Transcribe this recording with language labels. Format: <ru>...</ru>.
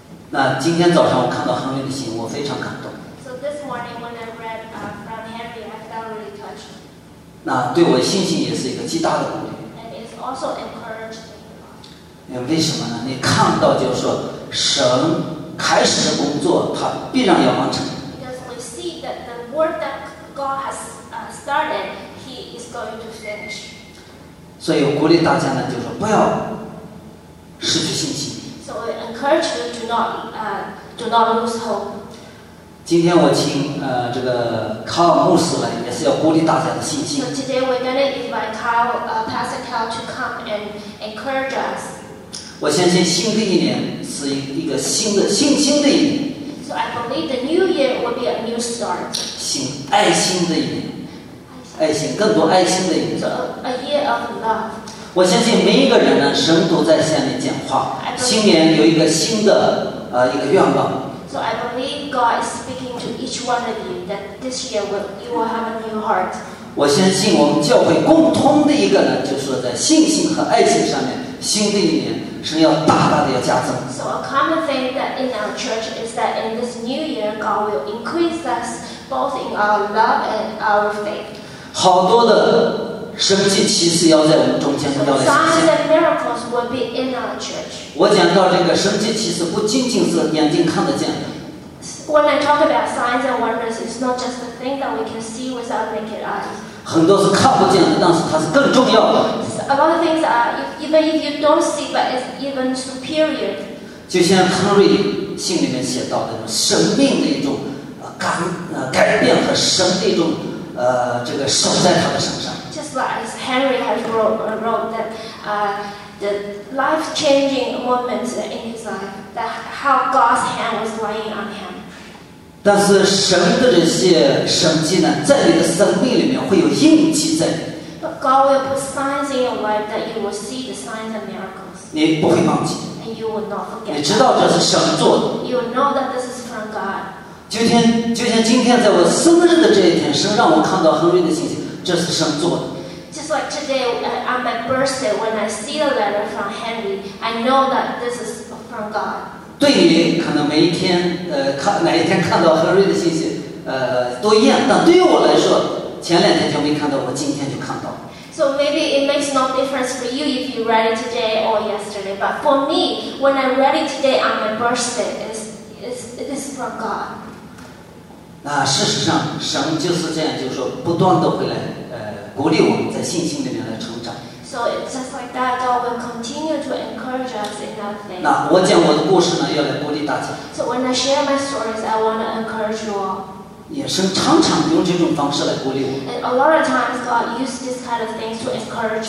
<zh>那今天早上我看到亨利的信，我非常感动。</zh> <en>So this morning, when I read from Henry, I felt really touched.</en> <zh>那对我信心也是一个极大的鼓励。</zh> <en>And it's also encouraging.</en> <zh>为什么呢？你看到就是说神。开始的工作，他必然要完成。</zh> <en>Because we see that the work that God has started, He is going to finish.</en> <zh>所以我鼓励大家呢，就是不要失去信心。</zh> <en>So I encourage you to not lose hope.</en> <zh>今天我请这个卡尔牧师来，也是要鼓励大家的信心。</zh> <en>So today we're going to invite Pastor Cal to come and encourage us.</en> <zh>我相信新的一年是一个新的新的一年。</zh> <en>So I believe the new year will be a new start.</en> <zh>新爱心的一年，爱心更多爱心的一年。</zh> <en>So a year of love.</en> <zh>我相信每一个人呢，神都在向你讲话。新年有一个新的一个愿望。</zh> <en>So I believe God is speaking to each one of you that this year you will have a new heart.</en> <zh>我相信我们教会共通的一个呢，就是在信心和爱心上面。新的一年是要大大的要加增。</zh> <en>So a common thing that in our church is that in this new year, God will increase us both in our love and our faith.</en> <zh>好多的神迹奇事要在我们中间要来显现。</zh> <en>Signs and miracles will be in our church.</en> <zh>我讲到这个神迹奇事不仅仅是眼睛看得见的。</zh> <en>When I talk about signs and wonders, it's not just the thing that we can see with our naked eyes.</en> <zh>很多是看不见的，但是它是更重要的。</zh> <en>A lot of things are even if you don't see, but it's even superior.</en> <zh>就像亨瑞信里面写到的，生命的一种改变和神的一种这个守在他的身上。</zh> <en>Just like Henry has wrote that the life changing moments in his life, that how God's hand was laying on him.</en> <zh>但是神的这些神迹呢，在你的生命里面会有印记在。</zh> <en>But God will put signs in your life that you will see the signs and miracles.</en> <zh>你不会忘记。</zh> <en>And you will not forget.</en> <zh>你知道这是神做的。</zh> <en>You know that this is from God.</en> <zh>就像今天在我生日的这一天，神让我看到亨瑞的信息，这是神做的。</zh> <en>Just like today on my birthday, when I see a letter from Henry, I know that this is from God.</en> <zh>对于可能每一天哪一天看到何瑞的信息都一样，但对于我来说前两天就没看到，我今天就看到。</zh> <en>So maybe it makes no difference for you if you read it today or yesterday, but for me when I read it today on my birthday it is from God.</en> <zh>那事实上神就是这样，就是说不断地回来鼓励我们在信心里面来成长。</zh> <en>So it's just like that, God will continue to encourage us in that thing.</en> <zh>那我讲我的故事呢，要来鼓励大家。</zh> <en>So when I share my stories, I want to encourage you all.</en> <zh>也是常常用这种方式来鼓励我。</zh> <en>And a lot of times, God uses this kind of things to encourage you.</en>